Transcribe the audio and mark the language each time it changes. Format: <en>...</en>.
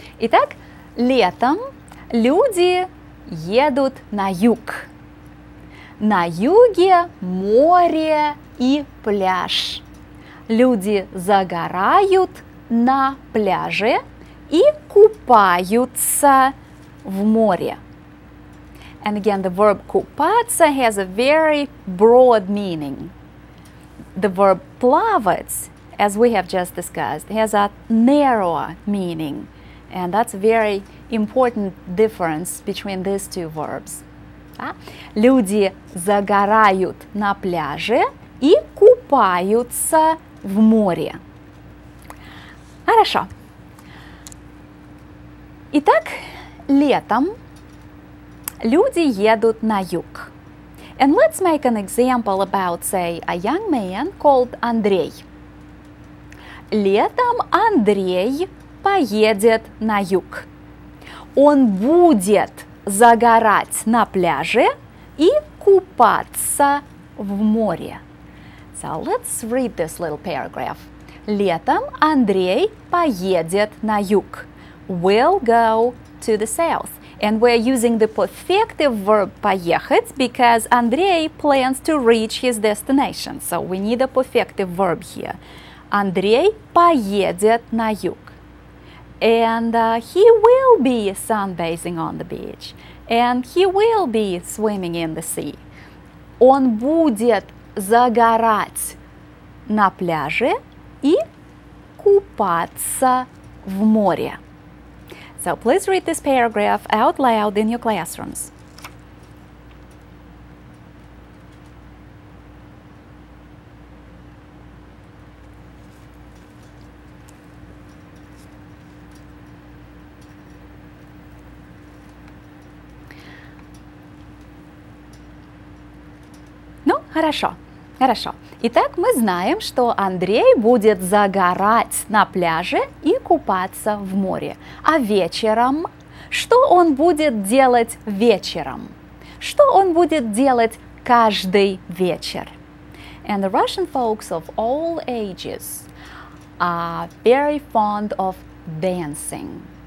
<ru>Итак, летом люди едут на юг. На юге море и пляж. Люди загорают на пляже и купаются в море.</ru> <en>And again, the verb купаться has a very broad meaning. The verb плавать, as we have just discussed, has a narrower meaning. And that's a very important difference between these two verbs.</en> <ru>Люди загорают на пляже и купаются в море. Хорошо. Итак, летом люди едут на юг.</ru> <en>And let's make an example about, say, a young man called Андрей.</en> <ru>Летом Андрей поедет на юг. Он будет загорать на пляже и купаться в море.</ru> <en>So let's read this little paragraph.</en> <ru>Летом Андрей поедет на юг.</ru> <en>Will go to the south. And we're using the perfective verb поехать because Андрей plans to reach his destination. So we need a perfective verb here.</en> <ru>Андрей поедет на юг.</ru> <en>And he will be sunbathing on the beach. And he will be swimming in the sea.</en> <ru>Он будет загорать на пляже и купаться в море.</ru> <en>So please read this paragraph out loud in your classrooms.</en> <ru>Хорошо, хорошо. Итак, мы знаем, что Андрей будет загорать на пляже и купаться в море. А вечером? Что он будет делать вечером? Что он будет делать каждый вечер?</ru> <en>And the Russian folks of all ages are very fond of dancing.</en>